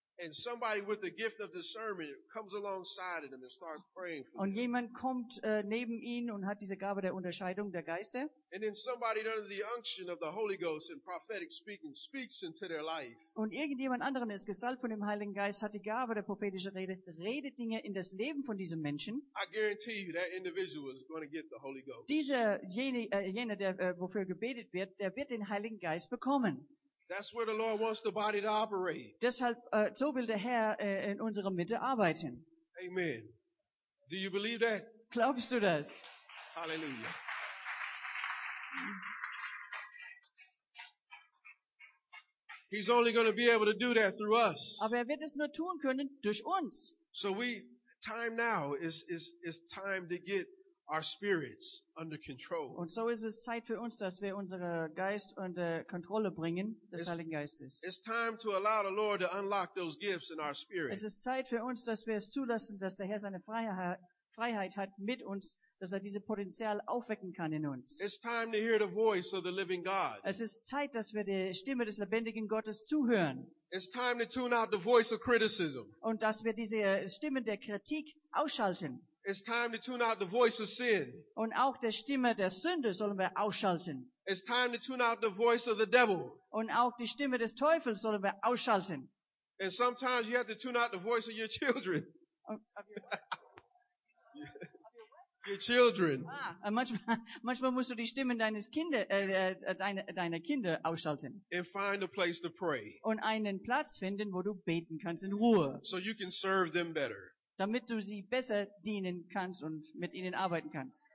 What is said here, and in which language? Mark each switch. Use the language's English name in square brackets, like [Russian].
[English] And somebody with the gift of discernment comes alongside of them and starts praying for [German] them. Und jemand kommt neben ihn und hat diese Gabe der Unterscheidung der Geister. [English] And then somebody under the unction of the Holy Ghost and prophetic speaking speaks into their life. [German] Und irgendjemand anderen ist gesalbt von dem Heiligen Geist, hat die Gabe der prophetischen Rede, redet Dinge in das Leben von diesem Menschen. [English] I guarantee you that individual is going to get the Holy Ghost. [German] Dieser, der wofür gebetet wird, der wird den Heiligen Geist bekommen. [English] That's where the Lord wants the body to operate. [German] Deshalb so will der Herr in unserer Mitte arbeiten. [English] Amen. Do you believe that? [German] Glaubst du das? [English] Hallelujah. He's only going to be able to do that through us. [German] Aber wird es nur tun können durch uns. [English] So we time now is time to get our spirits under control. [German] Und so ist es Zeit für uns, dass wir unseren Geist unter Kontrolle bringen, des Heiligen Geistes. [English] It's time to allow the Lord to unlock those gifts in our spirit. [German] Es ist Zeit für uns, dass wir es zulassen, dass der Herr seine Freiheit hat mit uns, dass er dieses Potenzial aufwecken kann in uns. [English] It's time to hear the voice of the living God. [German] Es ist Zeit, dass wir der Stimme des lebendigen Gottes zuhören. [English] It's time to tune out the voice of criticism. [German] Und dass wir diese Stimme der Kritik ausschalten. [English] It's time to tune out the voice of sin. [German] Und auch der Stimme der Sünde sollen wir ausschalten. [English] It's time to tune out the voice of the devil. [German] Und auch die Stimme des Teufels sollen wir ausschalten. [English] And sometimes you have to tune out the voice of your children. Your children. [German] Manchmal musst du die Stimme deiner Kinder ausschalten. [English] And find a place to pray. [German] Und einen Platz finden, wo du beten kannst in Ruhe. [English] So you can serve them better. [German] Damit du sie besser dienen kannst und mit ihnen arbeiten kannst.